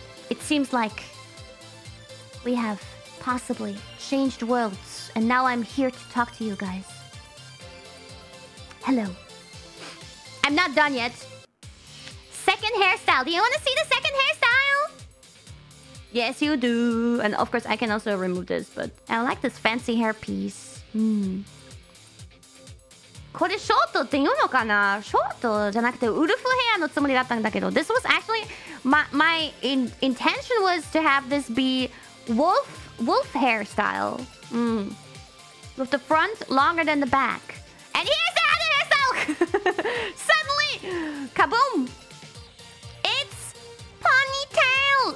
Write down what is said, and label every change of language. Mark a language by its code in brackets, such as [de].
[en] It seems like we have possibly changed worlds, and now I'm here to talk to you guys. Hello. I'm not done yet. Second hairstyle. Do you want to see the second hairstyle? Yes, you do. And of course, I can also remove this, but I like this fancy hairpiece. Hmm. [ja] これショートって言うのかな?ショートじゃなくてウルフヘアのつもりだったんだけど。 [en] This was actually... My intention was to have this be wolf hairstyle. Hmm. With the front longer than the back. And here's the other hairstyle! Suddenly! Kaboom! It's ponytail!